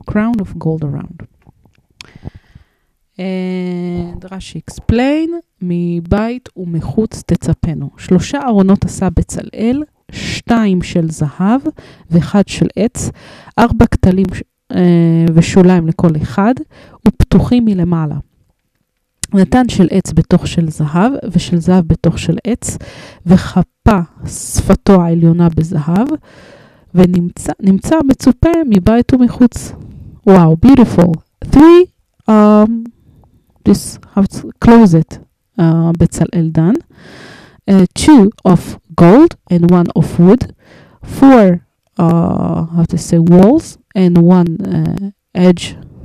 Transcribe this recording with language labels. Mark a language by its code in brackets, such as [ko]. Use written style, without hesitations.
[en] Crown of gold around. And Rashi explain, [he] מבית ומחוץ תצפנו. שלושה ארונות עשה בצלאל, שתיים של זהב ואחד של עץ, ארבע כתלים ושוליים לכל אחד, ופתוחים מלמעלה. נתן של עץ בתוך של זהב, ושל זהב בתוך של עץ, וחפה שפתו העליונה בזהב, ונמצא מצופה מבית ומחוץ. [en] וואו, beautiful. Three, this have closet, בצלאל דן. Two of gold and one of wood. Four, walls and one edge,